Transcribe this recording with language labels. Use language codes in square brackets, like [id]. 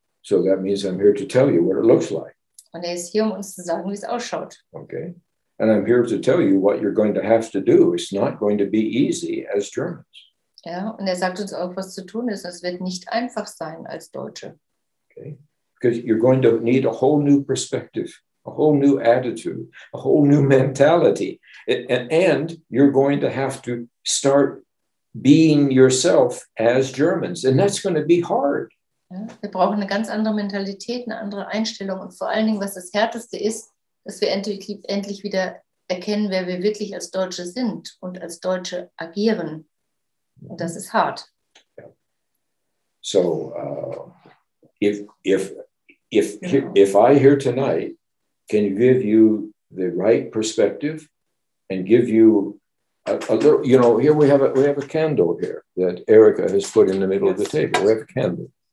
[en] So, that means I'm here to tell you what it looks like. [de] Und er ist hier, um uns zu sagen, wie es ausschaut. [en] Okay. And I'm here to tell you what you're going to have to do. It's not going to be easy as Germans. [de] Ja, und er sagt uns auch, was zu tun ist. Es wird nicht einfach sein als Deutsche. [en] Okay. because you're going to need a whole new perspective, a whole new attitude, a whole new mentality. And you're going to have to start being yourself as Germans. And that's going to be hard. [de] Ja, wir brauchen eine ganz andere Mentalität, eine andere Einstellung. Und vor allen Dingen, was das Härteste ist, dass wir endlich wieder erkennen, wer wir wirklich als Deutsche sind und als Deutsche agieren. Und das ist hart. Ja. [en] So, if I here tonight can give you the right perspective and give you a little, you know, here we have a candle here that Erica has put in the middle of the table. We have a candle.